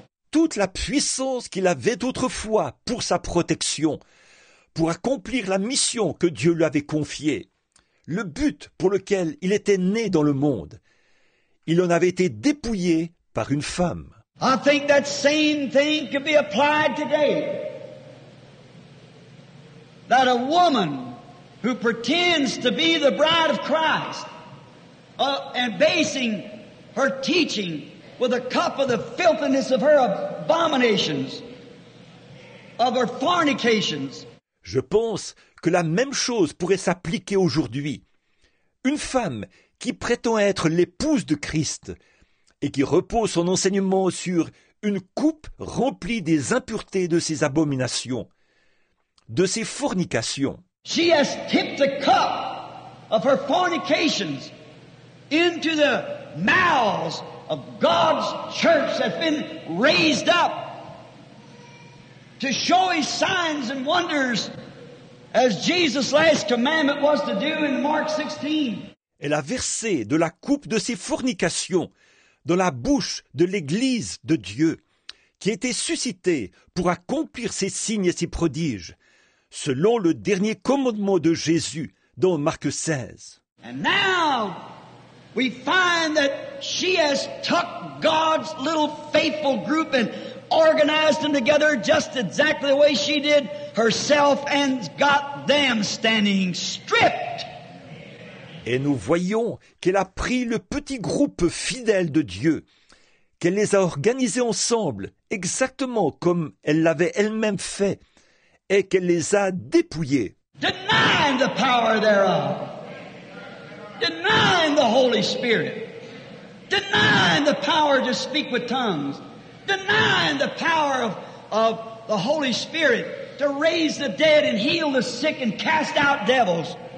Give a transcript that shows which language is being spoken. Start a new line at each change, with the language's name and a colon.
French: Toute la puissance qu'il avait autrefois pour sa protection, pour accomplir la mission que Dieu lui avait confiée, le but pour lequel il était né dans le monde, il en avait été dépouillé par une femme.
English: I think that same thing could be applied today. That a woman who pretends to be the bride of Christ and basing her teaching with a cup of the filthiness of her abominations, of her fornications.
French: Je pense que la même chose pourrait s'appliquer aujourd'hui. Une femme qui prétend être l'épouse de Christ et qui repose son enseignement sur une coupe remplie des impuretés de ses abominations, de ses fornications.
English: She has tipped the cup of her fornications into the mouths of God's church that's been raised up to show his signs and wonders as Jesus' last commandment was to do in Mark 16.
French: Elle a versé de la coupe de ses fornications dans la bouche de l'Église de Dieu qui était suscitée pour accomplir ses signes et ses prodiges selon le dernier commandement de Jésus dans Marc 16.
English: And now, we find that she has tucked God's little faithful group and organized them together just exactly the way she did herself and got them standing stripped.
French: Et nous voyons qu'elle a pris le petit groupe fidèle de Dieu, qu'elle les a organisés ensemble exactement comme elle l'avait elle-même fait et qu'elle les a dépouillés.
English: Denying the power thereof. Denying the Holy Spirit, denying the power to speak with tongues, denying the power of the Holy Spirit to raise the dead and heal the sick and cast out devils.